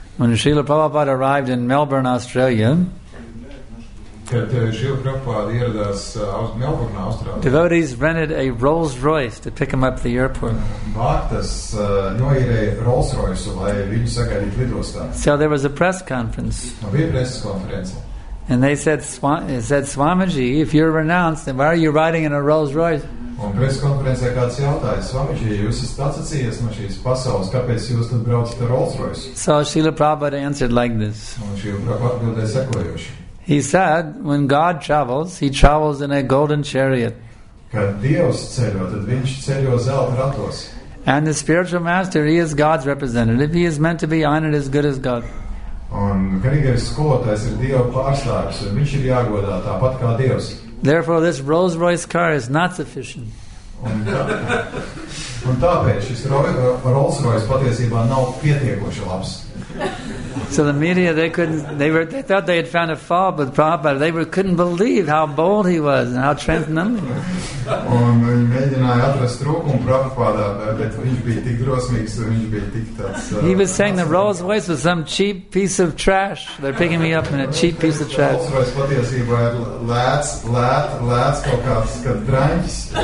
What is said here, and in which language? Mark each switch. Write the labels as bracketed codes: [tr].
[en] When Srila Prabhupada arrived in Melbourne, Australia, [lv] kad Srila Prabhupada ieradās Melbourne, Austrālijā, [en] devotees rented a Rolls-Royce to pick him up at the airport. [lv] Bhaktas noīrēja Rolls-Royce, lai viņu sagaidītu lidostā. [en] So there was a press conference. [lv] Un bija preses konference. [en] And they said, Swamiji, if you're renounced, then why are you riding in a Rolls-Royce? [lv] Un preses konferencē kāds jautāja, Swamiji, jūs esat atsacījies no šīs pasaules, kāpēc jūs tad braucat ar Rolls-Royce? [en] So Srila Prabhupada answered like this. [lv] Un Srila Prabhupada atbildēja sekojoši. [en] He said, when God travels, he travels in a golden chariot. [lv] Kad Dievs ceļo, tad viņš ceļo zelta ratos. [en] And the spiritual master, he is God's representative. He is meant to be honored as good as God. [lv] Un garīgais skolotājs ir Dieva pārstāvis, un viņš ir jāgodā tāpat kā Dievs. [en] Therefore, this Rolls-Royce car is not sufficient. [lv] Un tāpēc šis Rolls-Royce patiesībā nav pietiekoši labs. [en] So the media, they thought they had found a fault with Prabhupada. They couldn't believe how bold he was and how transcendental he was. [lv] Un viņi mēģināja atrast trūkumu Prabhupādā, bet viņš bija tik drosmīgs, un viņš bija tik tāds... [en] He was saying the Rolls Royce was some cheap piece of trash. They're picking me up in a cheap piece of trash. [lv] Rolls Royce patiesībā ir lēts kaut kāds, kad draņķis.